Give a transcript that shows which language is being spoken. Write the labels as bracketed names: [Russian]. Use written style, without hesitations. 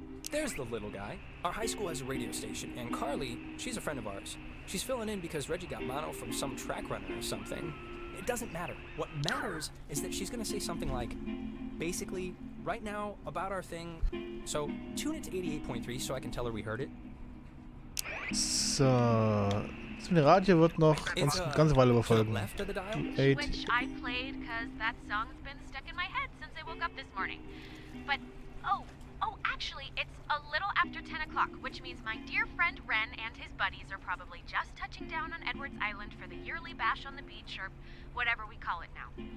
[English] There's the little guy. Our high school has a radio station, and Carly, she's a friend of ours. She's filling in because Reggie got mono from some track runner or something. It doesn't matter. What matters is that she's going to say something like, basically, right now, about our thing. So, tune it to 88.3 so I can tell her we heard it. [German] So, das Radio wird noch uns eine ganze Weile überfolgen. [English] Which I played, because that song's been stuck in my head since I woke up this morning. But, oh, actually, it's a little after 10 o'clock, which means my dear friend Ren and his buddies are probably just touching down on Edwards Island for the yearly bash on the beach, or whatever we call it now.